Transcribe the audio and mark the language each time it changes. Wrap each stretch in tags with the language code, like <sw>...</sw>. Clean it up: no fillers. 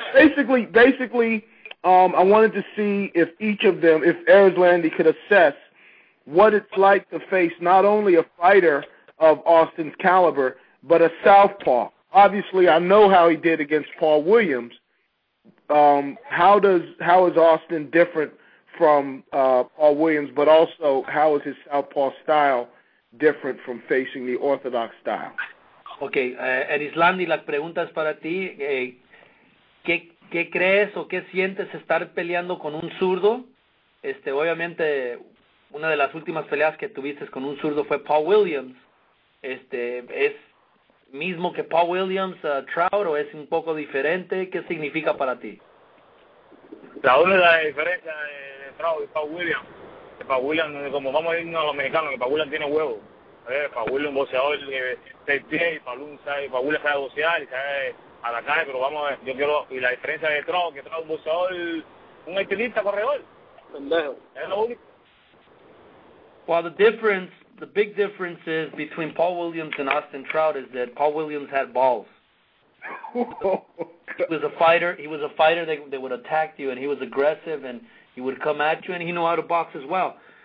<en>Basically, I wanted to see if each of them, if Erzlandi could assess what it's like to face not only a fighter of Austin's caliber, but a southpaw. Obviously, I know how he did against Paul Williams. How is Austin different from Paul Williams, but also how is his southpaw style different from facing the orthodox style?</en> <es>Okay, Erzlandi, las preguntas para ti, ¿Qué crees o qué sientes estar peleando con un zurdo? Obviamente, una de las últimas peleas que tuviste con un zurdo fue Paul Williams. ¿Es mismo que Paul Williams, Trout, o es un poco diferente? ¿Qué significa para ti? La única diferencia de Trout y Paul Williams, que Paul Williams, como vamos a irnos a los mexicanos, que Paul Williams tiene huevo. Paul Williams, boxeador, de pie, Paul Williams sabe boxear y sabe... a la calle, pero vamos a ver, yo quiero, y la diferencia de Trout, que Trout es un boxeador, un estilista corredor, pendejo, es lo único.</es> <en>Well, the big difference is between Paul Williams and Austin Trout is that Paul Williams had balls. Oh, was a fighter. He was a fighter that they would attack you, and he was aggressive, and he would come at you, and he knew how to box as well.</en>